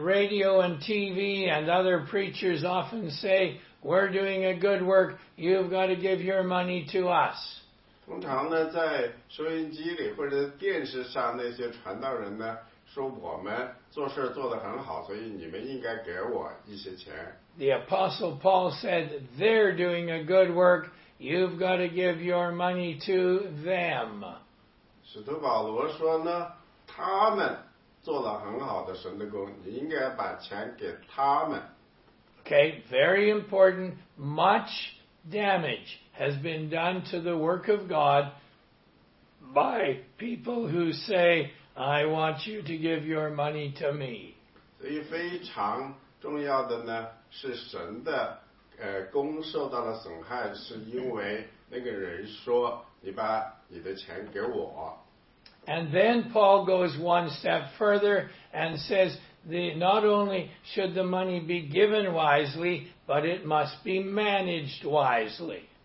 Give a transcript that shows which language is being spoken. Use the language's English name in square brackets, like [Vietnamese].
[English] radio and TV and other preachers often say we're doing a good work. You've got to give your money to us. [Chinese] 通常呢，在收音机里或者电视上那些传道人呢，说我们做事做得很好，所以你们应该给我一些钱。 [English] The Apostle Paul said they're doing a good work. You've got to give your money to them. [Chinese] 使徒保罗说呢，他们做了很好的神的工，你应该把钱给他们。 [English] Okay, very important. Much damage has been done to the work of God by people who say, I want you to give your money to me. [Chinese] 所以非常重要的呢，是神的公受到了损害是因为那个人说你把你的钱给我。 [English] And then Paul goes one step further and says, not only should the money be given wisely, but it must be managed wisely.